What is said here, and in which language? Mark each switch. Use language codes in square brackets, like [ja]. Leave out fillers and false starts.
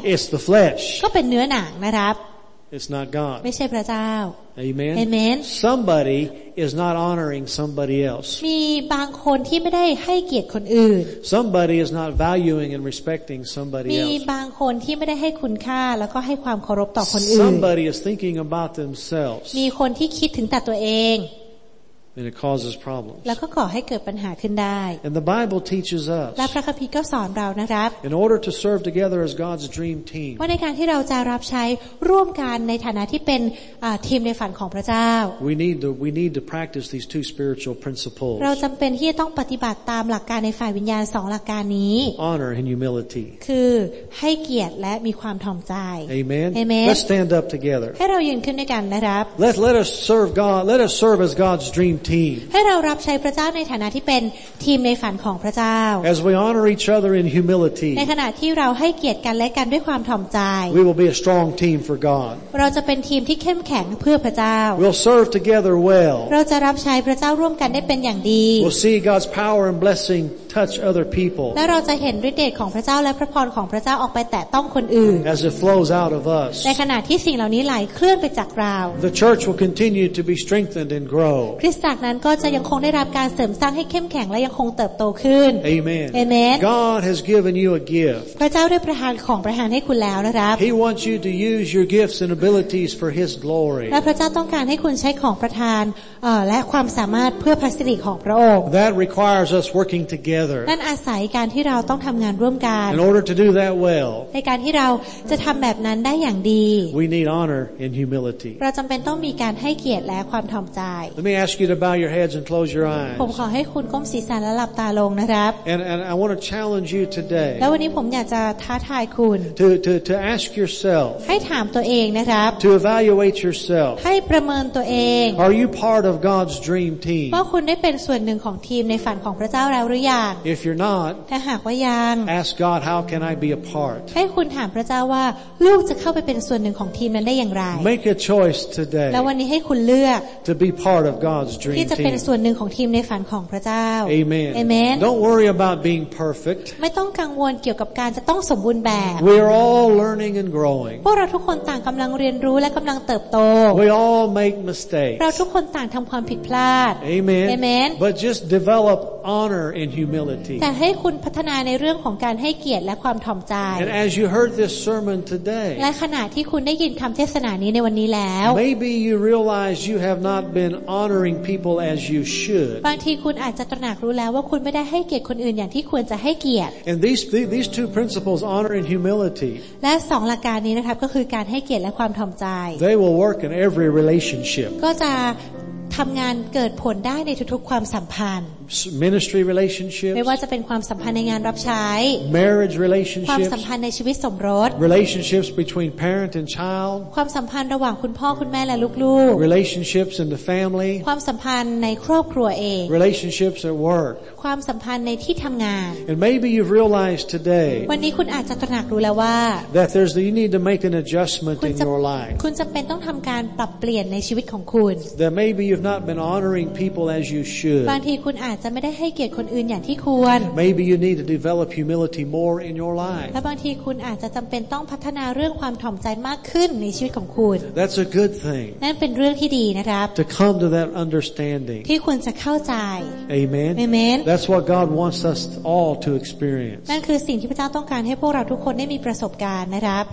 [en] It's the flesh [th] ก็เป็นเนื้อหนังนะครับ [en] It's not God. [th] ไม่ใช่พระเจ้า [en] Amen. Amen. Somebody is not honoring somebody else. [th] มีบางคนที่ไม่ได้ให้เกียรติคนอื่น [en] Somebody is not valuing and respecting somebody else. [th] มีบางคนที่ไม่ได้ให้คุณค่าแล้วก็ให้ความเคารพต่อคนอื่น [en] Somebody is thinking about themselves. [th] มีคนที่คิดถึงแต่ตัวเอง [en] And it causes problems. [th] แล้วก็ก่อให้เกิดปัญหาขึ้นได้ [en] And the Bible teaches us. [th] และพระคัมภีร์ก็สอนเรานะครับ [en] In order to serve together as God's dream team. [th] ว่าในการที่เราจะรับใช้ร่วมกันในฐานะที่เป็นทีมในฝันของพระเจ้า [en] We need to practice these two spiritual principles. [th] เราจำเป็นที่จะต้องปฏิบัติตามหลักการในฝ่ายวิญญาณสองหลักการนี้ [en] Honor and humility. [th] คือให้เกียรติและมีความถ่อมใจ [en] Amen. Amen. Let's stand up together. [th] ให้เรายืนขึ้นด้วยกันนะครับ [en] Let us serve God. Let us serve as God's dream. [th] ให้เรารับใช้พระเจ้าในฐานะที่เป็นทีมในฝันของพระเจ้า [en] As we honor each other in humility [th] ในขณะที่เราให้เกียรติกันและกันด้วยความถ่อมใจ [en] We will be a strong team for God [th] เราจะเป็นทีมที่เข้มแข็งเพื่อพระเจ้า [en] We'll serve together well [th] เราจะรับใช้พระเจ้าร่วมกันได้เป็นอย่างดี [en] We'll see God's power and blessing touch other people [th] และเราจะเห็นฤทธิ์เดชของพระเจ้าและพระพรของพระเจ้าออกไปแตะต้องคนอื่น [en] As it flows out of us [th] ในขณะที่สิ่งเหล่านี้ไหลเคลื่อนไปจากเรา [en] The church will continue to be strengthened and grow [th] คริสต์นั้นก็จะยังคงได้รับการเสริมสร้างให้เข้มแข็งและยังคงเติบโตขึ้น [en] Amen. Amen. God has given you a gift. [th] พระเจ้าได้ประทานของประทานให้คุณแล้วนะครับ [en] He wants you to use your gifts and abilities for His glory. [th] และพระเจ้าต้องการให้คุณใช้ของประทานและความสามารถเพื่อพระสิริของพระองค์ [en] That requires us working together. [th] นั่นอาศัยการที่เราต้องทำงานร่วมกัน [en] In order to do that well. [th] ในการที่เราจะทำแบบนั้นได้อย่างดี [en] We need honor and humility. [th] เราจำเป็นต้องมีการให้เกียรติและความถ่อมใจ [en] Let me ask you to bow your heads and close your eyes [th] ผมขอให้คุณก้มศีรษะและหลับตาลงนะครับ [en] and I want to challenge you today [th] แล้ววันนี้ผมอยากจะท้าทายคุณ [en] to ask yourself [th] ให้ถามตัวเองนะครับ [en] to evaluate yourself [th] ให้ประเมินตัวเอง [en] are you part of God's dream team [th] ว่าคุณได้เป็นส่วนหนึ่งของทีมในฝันของพระเจ้าแล้วหรือยัง [en] if you're not [th] ถ้าหากว่ายัง [en] ask God how can I be a part [th] ให้คุณถามพระเจ้าว่าลูกจะเข้าไปเป็นส่วนหนึ่งของทีมนั้นได้อย่างไร [en] make a choice today [th] แล้ววันนี้ให้คุณเลือก [en] to be part of God's [th] ที่จะเป็นส่วนหนึ่งของทีมในฝันของพระเจ้า [en] Amen. Amen. Don't worry about being perfect. [th] ไม่ต้องกังวลเกี่ยวกับการจะต้องสมบูรณ์แบบ [en] We're all learning and growing. [th] พวกเราทุกคนต่างกำลังเรียนรู้และกำลังเติบโต [en] We all make mistakes. [th] เราทุกคนต่างทำความผิดพลาด [en] Amen. Amen. But just develop honor and humility. [th] แต่ให้คุณพัฒนาในเรื่องของการให้เกียรติและความถ่อมใจ [en] And as you heard this sermon today. [th] และขณะที่คุณได้ยินคำเทศนานี้ในวันนี้แล้ว [en] Maybe you realize you have not been honoringpeople as you should [th] บางทีคุณอาจจะตระหนักรู้แล้วว่าคุณไม่ได้ให้เกียรติคนอื่นอย่างที่ควรจะให้เกียรติ [en] And these two principles honor and humility [th] และ2หลักการนี้นะครับก็คือการให้เกียรติและความถ่อมใจ [en] They will work in every relationship [th] ก็จะทำงานเกิดผลได้ในทุกๆความสัมพันธ์ [en] ministry relationships [th] ไม่ว่าจะเป็นความสัมพันธ์ในงานรับใช้ [en] marriage relationships [th] ความสัมพันธ์ในชีวิตสมรส [en] relationships between parent and child [th] ความสัมพันธ์ระหว่างคุณพ่อคุณแม่และลูก [en] ๆ relationships in the family [th] ความสัมพันธ์ในครอบครัวเอง [en] relationships at work [th] ความสัมพันธ์ในที่ทํางาน [en] and maybe you've realized today [th] วันนี้คุณอาจจะตระหนักรู้แล้วว่า [en] that there's the you need to make an adjustment in your life [th] คุณจําเป็นต้องทําการปรับเปลี่ยนในชีวิตของคุณ [en] that maybe you've not been honoring people as you should [th] บางทีคุณอาจจะไม่ได้ให้เกียรติคนอื่นอย่างที่ควร [en] Maybe you need to develop humility more in your life [th] และบางทีคุณอาจจะจําเป็นต้องพัฒนาเรื่องความถ่อมใจมากขึ้นในชีวิตของคุณ [en] That's a good thing [th] นั่นเป็นเรื่องที่ดีนะครับ [en] To come to that understanding [th] ที่ควรจะเข้าใจ [en] Amen Amen That's what God wants us all to experience [th] นั่นคือสิ่งที่พระเจ้าต้องการให้พวกเราทุกคนได้มีประสบการณ์นะครับ